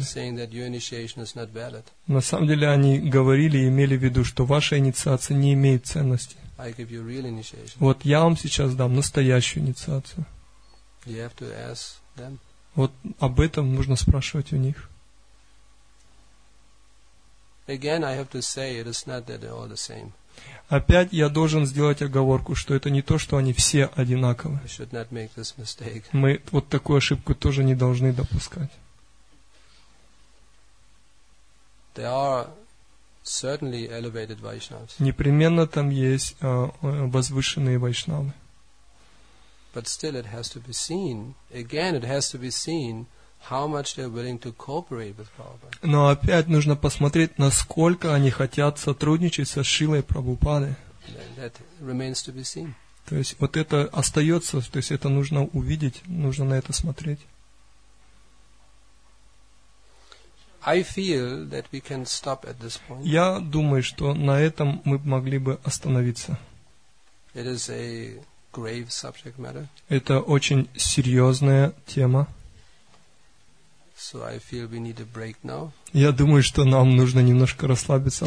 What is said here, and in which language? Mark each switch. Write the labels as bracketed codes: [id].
[en] Saying that your initiation is not valid. [ru] На самом деле они говорили и имели в виду, что ваша инициация не имеет ценности. [en] I give you real initiation. [ru] Вот я вам сейчас дам настоящую инициацию. [en] You have to ask them. [ru] Вот об этом можно спрашивать у них. [en] Again, I have to say, it is not that they are all the same. [ru] Опять я должен сделать оговорку, что это не то, что они все одинаковы. [en] We should not make this mistake. [ru] Мы вот такую ошибку тоже не должны допускать. [en] There are certainly elevated Vaishnavas. [ru] Непременно там есть возвышенные вайшнавы. [en] But still, it has to be seen. Again, it has to be seen. How much they are willing to cooperate with Prabhupada. [ru] Но опять нужно посмотреть, насколько они хотят сотрудничать со Шрилой Прабхупадой. [en] That remains to be seen. [ru] То есть вот это остается, то есть это нужно увидеть, нужно на это смотреть. [en] I feel that we can stop at this point. [ru] Я думаю, что на этом мы могли бы остановиться. [en] It is a grave subject matter. [ru] Это очень серьезная тема. [en] So I feel we need a break now. [ru] Я думаю, что нам нужно немножко расслабиться,